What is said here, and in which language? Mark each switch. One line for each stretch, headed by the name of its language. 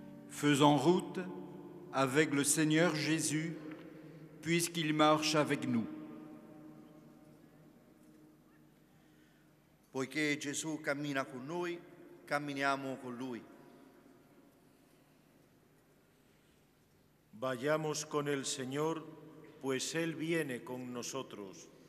French: Faisant route avec le Seigneur Jésus, puisqu'il marche avec nous.
Italian: Poiché Gesù cammina con noi, camminiamo con lui.
Spanish: Vayamos con el Señor, pues él viene con nosotros.